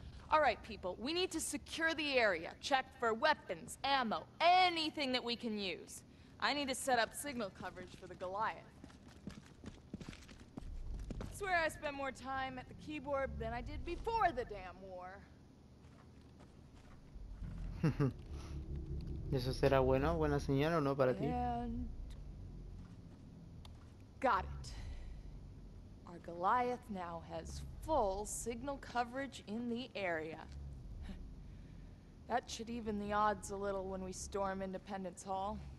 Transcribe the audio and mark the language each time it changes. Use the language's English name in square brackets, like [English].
[English] All right, people, we need to secure the area. Check for weapons, ammo, anything that we can use. I need to set up signal coverage for the Goliath. I swear I spend more time at the keyboard than I did before the damn war. [Spanish] ¿Eso será bueno, buena señal o no para ti? [English] Got it. Our Goliath now has full signal coverage in the area. That should even the odds a little when we storm Independence Hall.